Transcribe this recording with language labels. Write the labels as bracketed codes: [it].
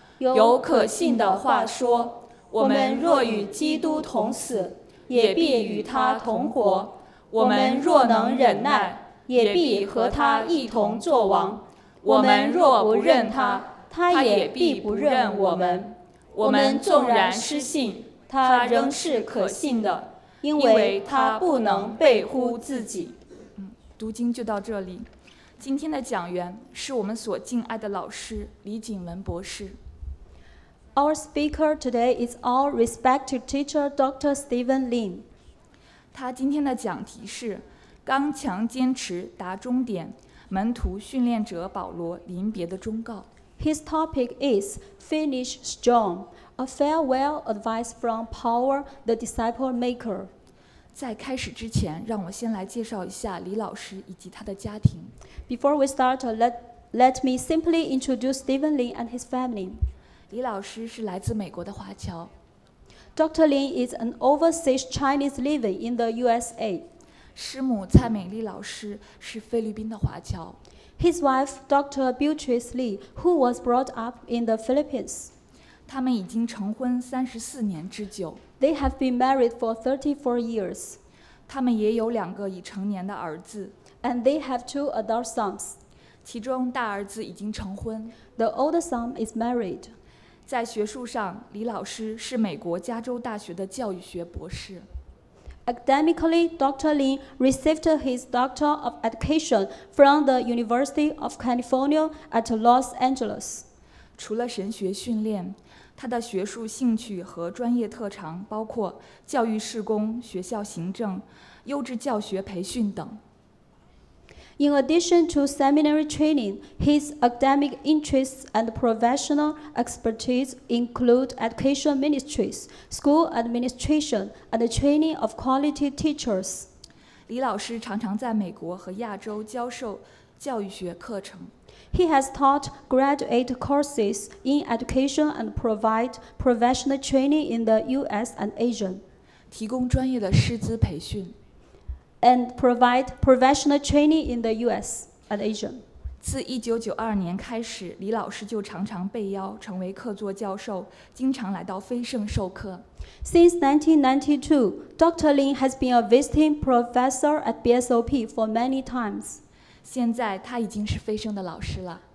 [zh] 有可信的话说，我们若与基督同死，也必与他同活；我们若能忍耐，也必和他一同作王；我们若不认他，他也必不认我们。我们纵然失信，他仍是可信的，因为他不能背乎自己。读经就到这里。今天的讲员是我们所敬爱的老师李景文博士。 [en] Our speaker today is our respected teacher, Dr. Stephen Lin. [zh] 他今天的讲题是《刚强坚持达终点》，门徒训练者保罗临别的忠告。 [en] His topic is Finish Strong, a farewell advice from Paul, the disciple maker. [zh] 在开始之前，让我先来介绍一下李老师以及他的家庭。 [en] Before we start, let me simply introduce Stephen Lin and his family. [zh] 李老师是来自美国的华侨。 [en] Dr. Lin is an overseas Chinese living in the USA. [zh] 师母蔡美丽老师是菲律宾的华侨。 [en] His wife, Dr. Beatrice Lee, who was brought up in the Philippines. [zh] 他们已经成婚34年之久。 [en] They have been married for 34 years. [zh] 他们也有两个已成年的儿子。 [en] And they have two adult sons. [zh] 其中大儿子已经成婚。 [en] The older son is married. [zh] 在学术上，李老师是美国加州大学的教育学博士。 [en] Academically, Dr. Lin received his Doctor of Education from the University of California at Los Angeles. [zh] 除了神学训练，他的学术兴趣和专业特长包括教育事工、学校行政、优质教学培训等。 [en] In addition to seminary training, his academic interests and professional expertise include education ministries, school administration, and the training of quality teachers. [zh] 李老师常常在美国和亚洲教授教育学课程。 [en] He has taught graduate courses in education and provide professional training in the U.S. and Asia. [zh] 提供专业的师资培训。 [en] And provide professional training in the U.S. and Asia. [zh] 自1992年开始，李老师就常常被邀成为客座教授，经常来到非圣授课。 [en] Since 1992, Dr. Lin has been a visiting professor at BSOP for many times. [zh] 现在他已经是非圣的老师了。